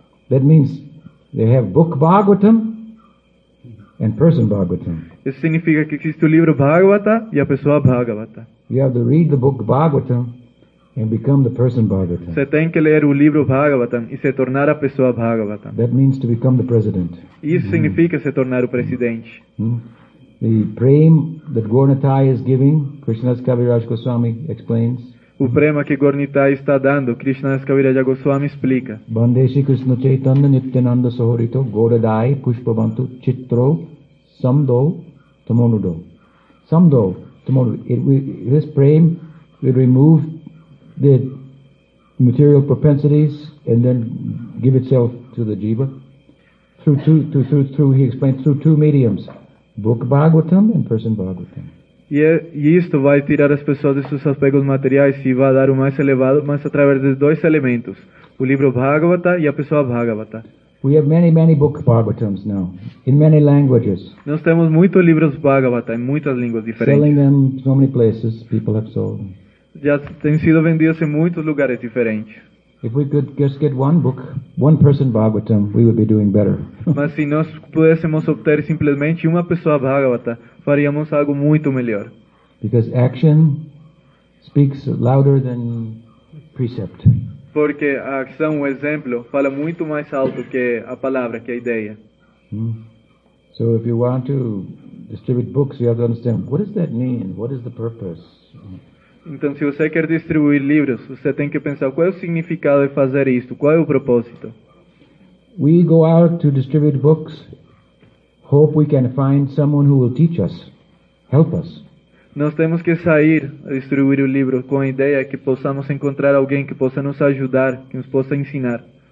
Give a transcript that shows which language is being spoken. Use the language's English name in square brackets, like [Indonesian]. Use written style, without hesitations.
[English] That means they have book Bhagavatam and person Bhagavatam. [Portuguese] Isso significa que existe o livro Bhagavata e a pessoa Bhagavata. [English] You have to read the book Bhagavatam and become the person Bhagavatam. [Portuguese] Você tem que ler o livro Bhagavatam e se tornar a pessoa Bhagavatam. [English] That means to become the president. [Portuguese] Isso significa se tornar o presidente. [English] The prem that Gornitai is giving, Krishnas Kaviraj Goswami explains. [Portuguese] O prema que Gornitai está dando, Krishnas Kaviraj Goswami explica. [Sanskrit] Bandeshi Krishna Chaitanya Nityananda Sahorito Goradai Pushpavantu Chitro Samdo Tamonudo. Samdo Tamonudo. [English] This prem will remove the material propensities and then give itself to the jiva through he explains, through two mediums. Book Bhagavatam and person Bhagavatam. [Portuguese] E isto vai tirar as pessoas de seus apegos materiais e vai dar o mais elevado, mas através de dois elementos. O livro Bhagavata e a pessoa Bhagavata. [English] We have many, many book Bhagavatams now, in many languages. [Portuguese] Nós temos muitos livros Bhagavata em muitas línguas diferentes. [English] Selling them in so many places, people have sold them. [Portuguese] Já têm sido vendidos em muitos lugares diferentes. [English] If we could just get one book, one person Bhagavatam, we would be doing better. [Portuguese] Mas se nós pudéssemos obter simplesmente uma pessoa Bhagavata, faríamos algo muito melhor. [English] Because action speaks louder than precept. [Portuguese] Porque a ação, o exemplo, fala muito mais alto que a palavra, que a ideia. [English] So if you want to distribute books, you have to understand, what does that mean? What is the purpose? [Portuguese] Então, se você quer distribuir livros, você tem que pensar qual é o significado de fazer isto, qual é o propósito. [English] We go out to distribute books, hope we can find someone who will teach us, help us. [Portuguese] Nós temos que sair a distribuir o livro com a ideia que possamos encontrar alguém que possa nos ajudar, que nos possa ensinar.